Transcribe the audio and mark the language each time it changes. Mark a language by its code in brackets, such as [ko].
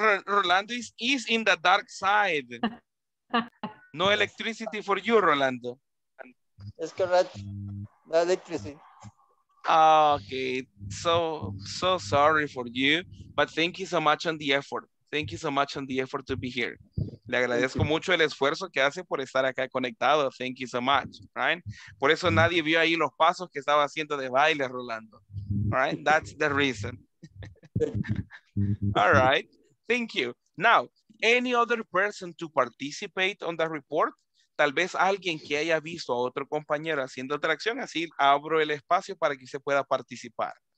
[en] Rolando is in the dark side. No electricity for you, Rolando. That's correct. No electricity. Okay. So sorry for you, but thank you so much on the effort. Thank you so much on the effort to be here. [es] Le agradezco mucho el esfuerzo que hace por estar acá conectado. [en] Thank you so much, right? [es] Por eso nadie vio ahí los pasos que estaba haciendo de baile, Rolando. [en] Right? That's the reason. All right. Thank you. Now, any other person to participate on the report? [es] Tal vez alguien que haya visto a otro compañero haciendo otra acción, así abro el espacio para que se pueda participar.